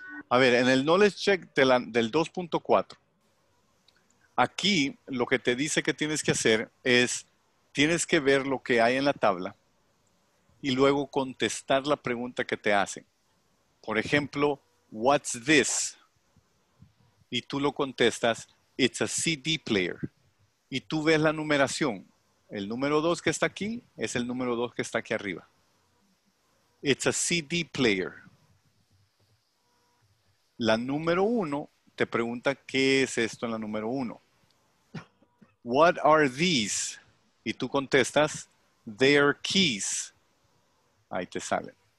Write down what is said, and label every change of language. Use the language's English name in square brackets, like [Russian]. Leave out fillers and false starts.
[Spanish] A ver, en el Knowledge Check del 2.4, aquí lo que te dice que tienes que hacer es, tienes que ver lo que hay en la tabla y luego contestar la pregunta que te hacen. Por ejemplo, [English] what's this? [Spanish] Y tú lo contestas, [English] it's a CD player. [Spanish] Y tú ves la numeración. El número 2 que está aquí es el número 2 que está aquí arriba. [English] It's a CD player. [Spanish] La número uno te pregunta, ¿qué es esto en la número uno? [English] What are these? [Spanish] Y tú contestas, [English] they're keys. [Spanish] Ahí te sale.